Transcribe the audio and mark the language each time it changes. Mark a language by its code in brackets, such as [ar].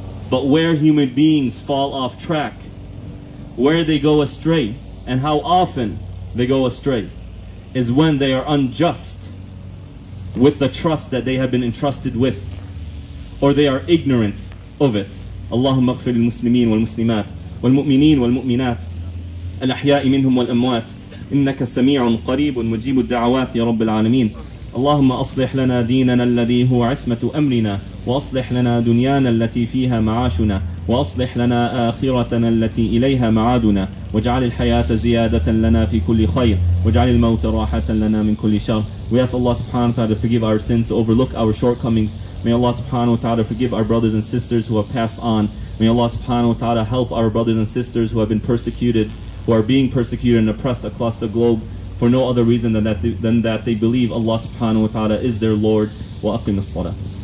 [en] But where human beings fall off track, where they go astray, and how often they go astray, is when they are unjust with the trust that they have been entrusted with, or they are ignorant of it. [ar] Allahumma ighfir lil muslimin wal muslimat wal mu'minin wal mu'minat al ahya'i minhum wal amwat إنك سميع قريب مجيب الدعوات يا رب العالمين اللهم أصلح لنا ديننا الذي هو عصمة أمرنا وأصلح لنا دنيانا التي فيها معاشنا وأصلح لنا آخرتنا التي إليها معادنا واجعل الحياة زيادة لنا في كل خير واجعل الموت راحة لنا من كل شر. [en] We ask Allah subhanahu wa ta'ala to forgive our sins, to overlook our shortcomings. May Allah subhanahu wa ta'ala forgive our brothers and sisters who have passed on. May Allah subhanahu wa ta'ala help our brothers and sisters who have been persecuted, who are being persecuted and oppressed across the globe for no other reason than that they believe Allah subhanahu wa ta'ala is their Lord. [ar] Wa aqim as-salah.